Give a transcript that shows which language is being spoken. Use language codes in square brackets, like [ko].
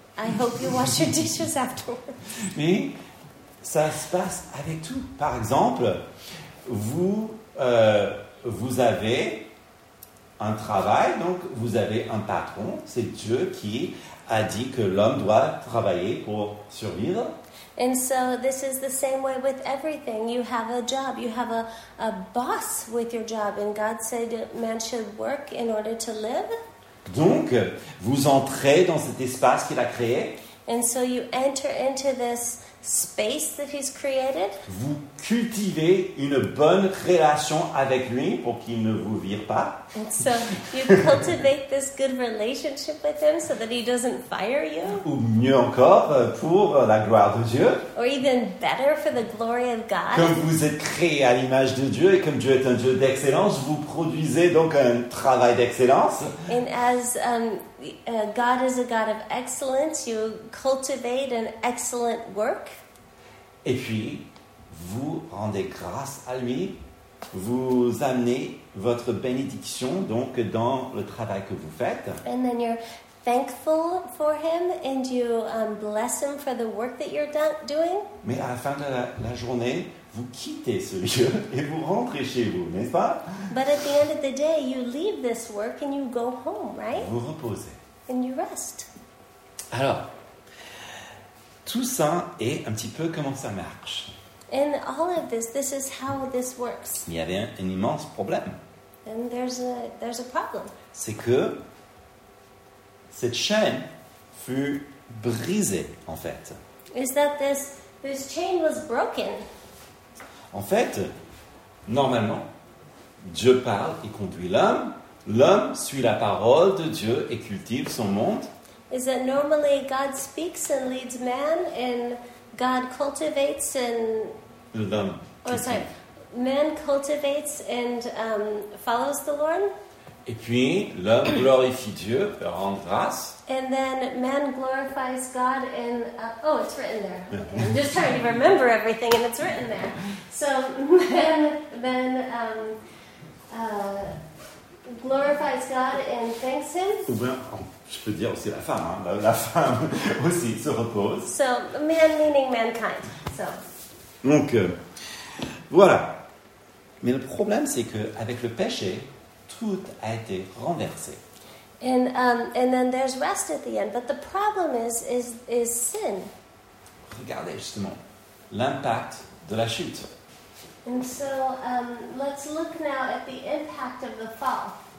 [en] I hope you wash your dishes afterwards. [fr] Mais ça se passe avec tout. Par exemple, vous avez un travail, donc vous avez un patron, c'est Dieu qui a dit que l'homme doit travailler pour survivre. [en] And so this is the same way with everything. You have a job, you have a boss with your job, and God said man should work in order to live. [fr] Donc, vous entrez dans cet espace qu'il a créé. [en] And so you enter into this space that he's created. [fr] Vous cultivez une bonne relation avec lui pour qu'il ne vous vire pas. [en] And so you cultivate this good relationship with him so that he doesn't fire you. [fr] Ou mieux encore, pour la gloire de Dieu. [en] Or even better, for the glory of God. [fr] Comme vous êtes créé à l'image de Dieu et comme Dieu est un Dieu d'excellence, vous produisez donc un travail d'excellence. [en] And as God is a God of excellence, you cultivate an excellent work. [fr] Et puis, vous rendez grâce à lui, vous amenez votre bénédiction donc dans le travail que vous faites. [en] And then you're thankful for him and you bless him for the work that you're doing. [fr] Mais à la fin de la journée, vous quittez ce lieu et vous rentrez chez vous, n'est-ce pas? [en] But at the end of the day, you leave this work and you go home, right? [fr] Vous reposez. [en] And you rest. [fr] Alors, tout ça est un petit peu comment ça marche. [en] In all of this, this is how this works. [fr] Il y avait un immense problème. [en] And there's a problem. [fr] C'est que cette chaîne fut brisée, en fait. [en] Is that this chain was broken? [fr] En fait, normalement, Dieu parle et conduit l'homme. L'homme suit la parole de Dieu et cultive son monde. [en] Is that normally God speaks and leads man and God cultivates and... [fr] L'homme. [en] Oh, sorry. Man cultivates and follows the Lord. [fr] Et puis, l'homme glorifie Dieu, rend grâce. [en] And then man glorifies God and... it's written there. Okay. I'm just trying to remember everything and it's written there. So, man glorifies God and thanks him. [fr] Je peux dire aussi la femme, hein. La femme aussi se repose. [en] So, man meaning mankind. So. [fr] Donc, voilà. Mais le problème, c'est que avec le péché, tout a été renversé. [en] And then there's rest at the end. But the problem is sin. [fr] Regardez justement l'impact de la chute. [en] And so let's look now at the impact of the fall.